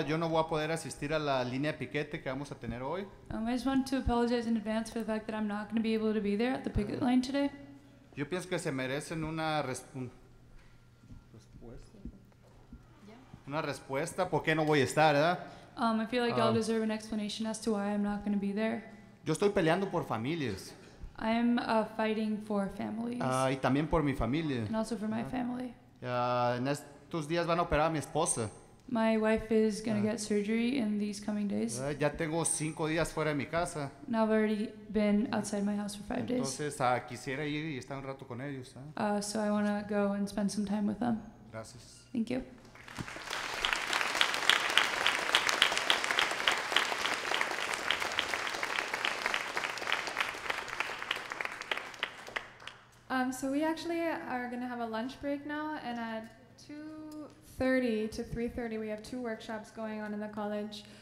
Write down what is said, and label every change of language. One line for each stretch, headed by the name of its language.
Spanish: Yo no voy a poder asistir a la línea piquete que vamos a tener hoy.
English: I just want to apologize in advance for the fact that I'm not going to be able to be there at the picket line today.
Spanish: Yo pienso que se merecen una respuesta por qué no voy a estar, ¿verdad?
English: I feel like y'all deserve an explanation as to why I'm not going to be there.
Spanish: Yo estoy peleando por familias.
English: I'm fighting for families.
Spanish: Y también por mi familia.
English: And also for my family.
Spanish: Estos días van a operar a mi esposa.
English: My wife is going to get surgery in these coming days.
Spanish: Ya tengo 5 días fuera de mi casa.
English: Now I've already been outside my house for 5 days.
Spanish: Entonces, quisiera ir y estar un rato con ellos.
English: So I want to go and spend some time with them.
Spanish: Gracias.
English: Thank you. So we actually are going to have a lunch break now, and at 2:30 to 3:30, we have 2 workshops going on in the college.